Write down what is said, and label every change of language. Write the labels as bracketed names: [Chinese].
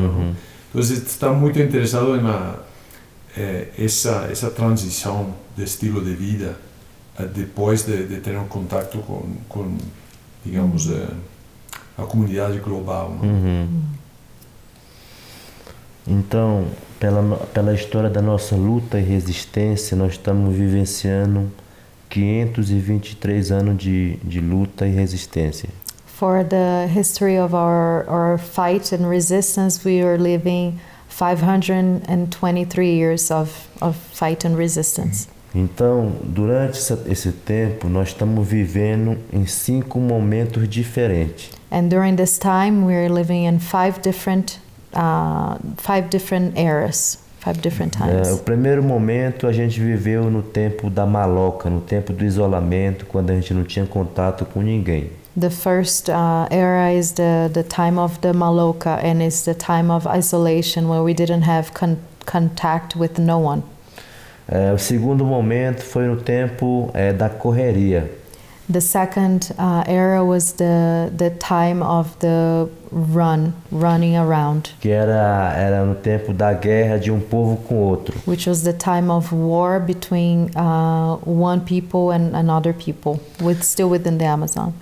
[Portuguese] Então, está muito interessado em essa transição de estilo de vida depois de ter um contato com digamos, a comunidade global. Então, pela história da nossa luta e resistência, nós estamos vivenciando 523 anos de luta e resistência. [English] For the history of our fight and resistance, we are living 523 years of fight and resistance. [Portuguese] Então, durante esse tempo, nós estamos vivendo em 5 momentos diferentes. [English] And during this time, we are living in 5 different eras, 5 different times. [Portuguese] O primeiro momento a gente viveu no tempo da maloca, no tempo do isolamento, quando a gente não tinha contato com ninguém. [English] The first era is the time of the maloca, and it's the time of isolation where we didn't have contact with no one. [Portuguese] O segundo momento foi no tempo da correria. [English] The second era was the time of the running around. [Portuguese] Que era no tempo da guerra de um povo com outro. [English] Which was the time of war between one people and another people, still within the Amazon.